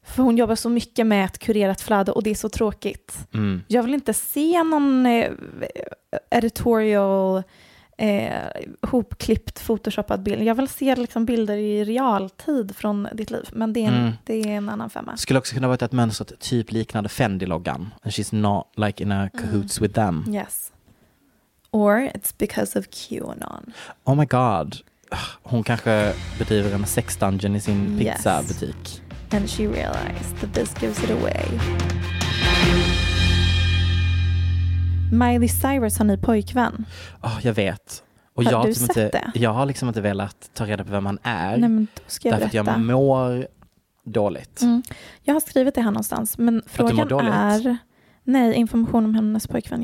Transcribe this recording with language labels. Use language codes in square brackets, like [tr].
[sv] För hon jobbar så mycket med ett kurerat flöde och det är så tråkigt. Mm. Jag vill inte se någon editorial hopklippt, photoshoppad bild. Jag vill se liksom bilder i realtid från ditt liv. Men det är en, det är en annan femma. Skulle också kunna vara ett mönstret typ liknande Fendi-loggan. [en] And she's not like in a cahoots with them. Yes. Or it's because of QAnon. Oh my god. [sv] Hon kanske bedriver en sexdungeon i sin pizzabutik. [en] And she realized that this gives it away. [sv] Miley Cyrus har ny pojkvän. Oh, jag vet. Och har jag du sett inte, det? Jag har liksom inte velat ta reda på vem han är. Nej, men då ska jag berätta. Därför att jag mår dåligt. Mm. Jag har skrivit det här någonstans. Men frågan är... Nej, information om hennes pojkvän.